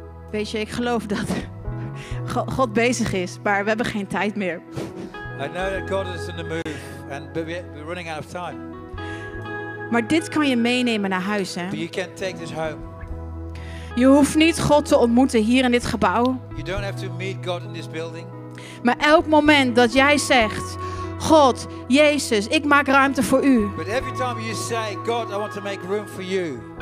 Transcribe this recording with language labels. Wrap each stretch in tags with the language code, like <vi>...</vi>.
<nl>Weet je, ik geloof dat God bezig is, maar we hebben geen tijd meer.</nl> <en>I know that God is in the move, and we're running out of time.</en> <nl>Maar dit kan je meenemen naar huis, hè?</nl> <en>But you can take this home.</en> <nl>Je hoeft niet God te ontmoeten hier in dit gebouw.</nl> <en>You don't have to meet God in this building.</en> <nl>Maar elk moment dat jij zegt, God, Jezus, ik maak ruimte voor u.</nl> <en>But every time you say, God, I want to make room for you.</en>